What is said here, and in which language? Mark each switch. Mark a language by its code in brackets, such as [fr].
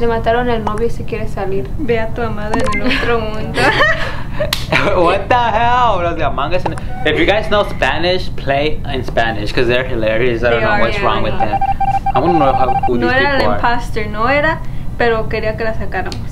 [es] Le mataron el novio y se quiere salir. Ve a tu amada en el otro mundo. What the hell? Los de Among Us. [en] If you guys know Spanish, play in Spanish because they're hilarious. I don't know what's wrong with them. I want to know who these people are. [es] No era el imposter, no era, pero quería que la sacáramos.